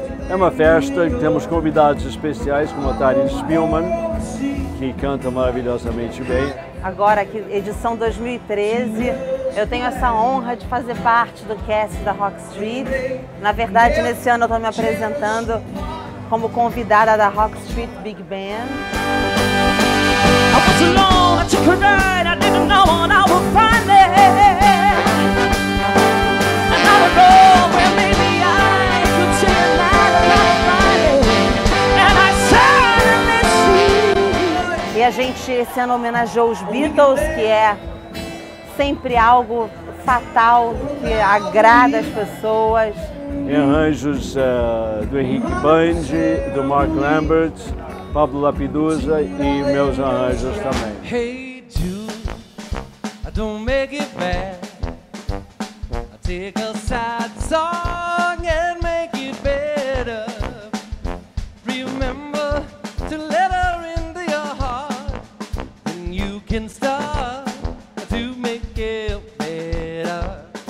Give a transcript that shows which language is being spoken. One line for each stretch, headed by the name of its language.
Portuguese: É uma festa, temos convidados especiais, como a Tari Spielman, que canta maravilhosamente bem. Agora, edição 2013, eu tenho essa honra de fazer parte do cast da Rock Street. Na verdade, nesse ano eu estou me apresentando como convidada da Rock Street Big Band.
English: I was alone, I took a ride, I didn't know when I would find it. And I would go where maybe I could see a light of my body. And I suddenly see.
Portuguese: E a gente esse ano homenageou os Beatles, que é sempre algo fatal, que agrada as pessoas. Em arranjos do Henrique Bundy, do Mark Lambert, Pablo Lapidusa e meus arranjos também.
English: Hey Jude, I don't make it bad. I take a sad song and make it better. Remember to let her into your heart. And you can start to make it better.